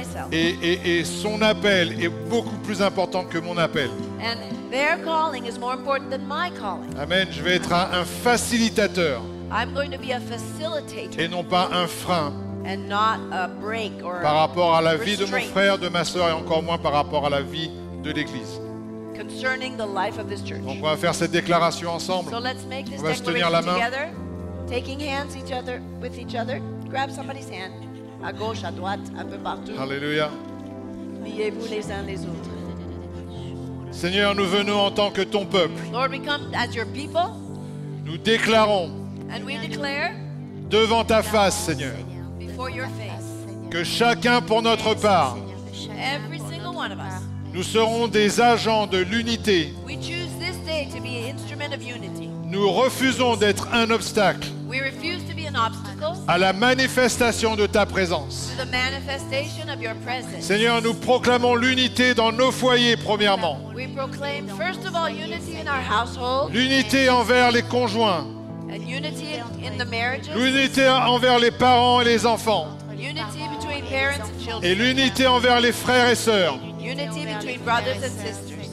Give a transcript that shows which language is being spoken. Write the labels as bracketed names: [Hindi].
[French] Et son appel est beaucoup plus important que mon appel. [English] And their calling is more important than my calling. [French] Amen. Je vais être un facilitateur. [English] I'm going to be a facilitator. [French] Et non pas un frein. [English] And not a break or [French] par rapport à la vie de mon frère, de ma soeur, et encore moins par rapport à la vie de l'église. [English] Concerning the life of this church. [French] Donc on va faire cette déclaration ensemble. [English] So let's make this [French] on va se tenir la main. [English] Together, taking hands each other, with each other. Grab somebody's hand. [French] À gauche, à droite, un peu partout. Alléluia. Liez-vous les uns les autres. Seigneur, nous venons en tant que ton peuple. [English] Lord, we come as your people. [French] Nous déclarons [English] and we declare [French] devant ta face, Seigneur, [English] before your face, [French] que chacun pour notre part, [English] every single one of us, [French] nous serons des agents de l'unité. [English] We choose this day to be an instrument of unity. [French] Nous refusons d'être un obstacle, [English] we refuse to be an obstacle [French] à la manifestation de ta présence. [English] To the manifestation of your presence. [French] Seigneur, nous proclamons l'unité dans nos foyers premièrement. [English] We proclaim, first of all, unity in our household. [French] L'unité envers les conjoints. [English] And unity in the marriages. [French] L'unité envers les parents et les enfants. [English] Unity between parents and children. [French] Et l'unité envers les frères et sœurs. [English] Unity between brothers and sisters.